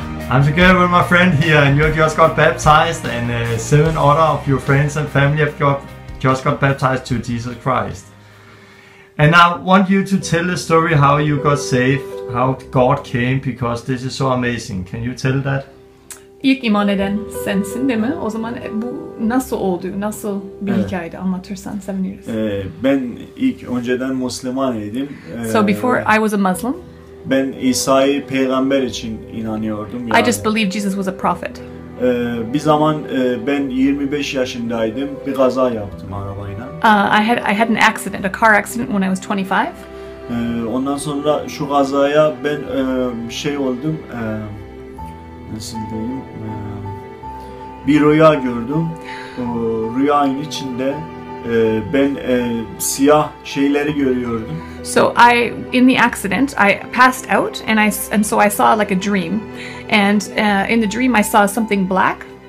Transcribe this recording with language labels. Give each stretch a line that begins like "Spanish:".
English: I'm together with my friend here, and you have just got baptized, and seven other of your friends and family have just got baptized to Jesus Christ. And I want you to tell the story how you got saved, how God came, because this is so amazing. Can you tell that?
Turkish: İlk iman eden sensin, değil mi? O zaman bu nasıl oldu? Nasıl bir hikayeydi? Anlatırsan seviniriz. Ben ilk önceden Müslümanydım.
English: So before I was a Muslim.
Turkish: Ben İsa'yı peygamber için inanıyordum.
English: Yani. I just believed Jesus was a prophet.
Turkish: Bir zaman ben 25 yaşındaydım. Bir kaza yaptım arabayla.
English: I had an accident, a car accident when I was 25.
Turkish: Ondan sonra şu kazaya ben şey oldum. Nasıl diyeyim? Bir rüya gördüm. Rüyanın içinde ben siyah şeyleri görüyordum.
English: So I, in the accident, I passed out, and so I saw like a dream, and in the dream I saw something black.